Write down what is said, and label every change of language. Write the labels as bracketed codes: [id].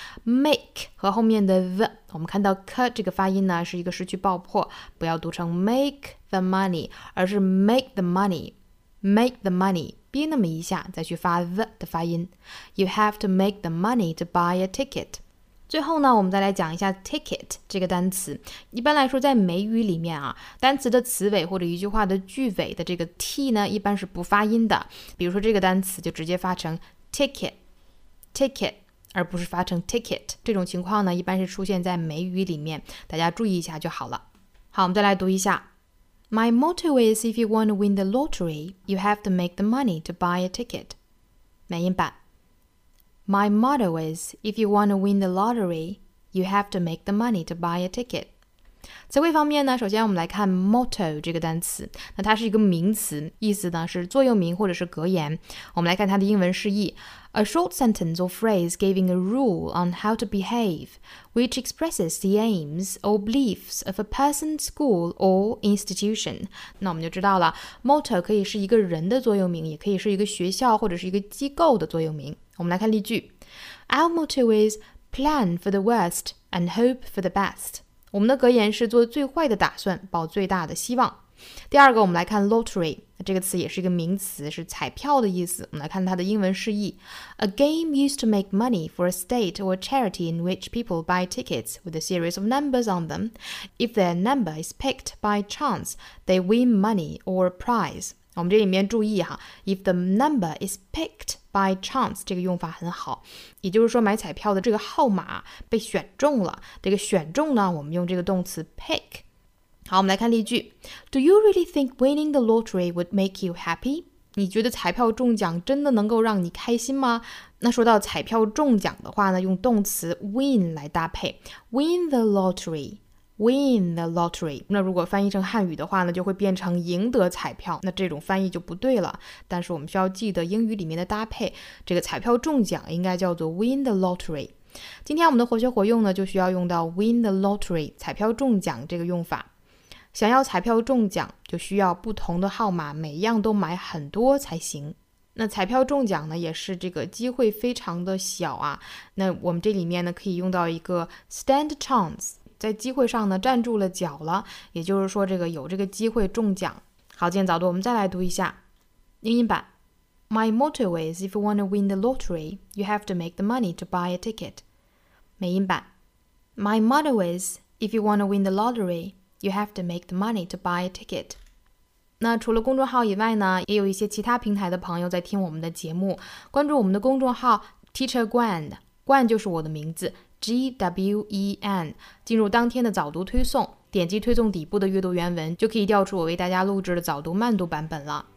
[zh] Make 和后面的 the, 我们看到 k 这个发音呢是一个失去爆破，不要读成 [en] make the money, [zh] 而是 make the money. [en] Make the money. [zh] 憋那么一下，再去发 the 的发音。 [en] You have to make the money to buy a ticket. [zh] 最后呢，我们再来讲一下 ticket 这个单词。一般来说，在美语里面啊，单词的词尾或者一句话的句尾的这个 t 呢，一般是不发音的。比如说这个单词就直接发成 ticket, 而不是发成 ticket。这种情况呢，一般是出现在美语里面，大家注意一下就好了。好，我们再来读一下。 [en] My motto is if you want to win the lottery, you have to make the money to buy a ticket. [zh] 美音版 [en] My motto is if you want to win the lottery, you have to make the money to buy a ticket. [zh] 词汇方面呢，首先我们来看 motto 这个单词，那它是一个名词，意思呢是座右铭或者是格言。我们来看它的英文释义 [en] A short sentence or phrase giving a rule on how to behave, which expresses the aims or beliefs of a person, school or institution. [zh] 那我们就知道了 ,motto 可以是一个人的座右铭，也可以是一个学校或者是一个机构的座右铭。我们来看例句 [en] Our motto is plan for the worst and hope for the best. [zh] 我们的格言是做最坏的打算，抱最大的希望。第二个，我们来看 lottery， 这个词也是一个名词，是彩票的意思。我们来看它的英文释义 [en] ：A game used to make money for a state or charity in which people buy tickets with a series of numbers on them. If their number is picked by chance, they win money or a prize. [zh] 我们这里面注意哈 ， [en] if the number is picked by chance， [zh] 这个用法很好，也就是说买彩票的这个号码被选中了。这个选中呢，我们用这个动词 pick。好，我们来看例句 [en] ：Do you really think winning the lottery would make you happy？ [zh] 你觉得彩票中奖真的能够让你开心吗？那说到彩票中奖的话呢，用动词 win 来搭配 ， [en] win the lottery。 Win the lottery， [zh] 那如果翻译成汉语的话呢，就会变成赢得彩票，那这种翻译就不对了。但是我们需要记得英语里面的搭配，这个彩票中奖应该叫做 [en] win the lottery。 [zh] 今天我们的活学活用呢，就需要用到 [en] win the lottery， [zh] 彩票中奖这个用法。想要彩票中奖，就需要不同的号码，每样都买很多才行。那彩票中奖呢，也是这个机会非常的小啊。那我们这里面呢，可以用到一个 [en] stand chance。 [zh] 在机会上呢站住了脚了，也就是说这个有这个机会中奖。好，今天早读我们再来读一下英音版 [en] My motto is if you want to win the lottery, you have to make the money to buy a ticket. [zh] 美音版 [en] My motto is if you want to win the lottery, you have to make the money to buy a ticket. [zh] 那除了公众号以外呢，也有一些其他平台的朋友在听我们的节目，关注我们的公众号 Teacher Gwen， Gwen 就是我的名字G-W-E-N， 进入当天的早读推送，点击推送底部的阅读原文，就可以调出我为大家录制的早读慢读版本了。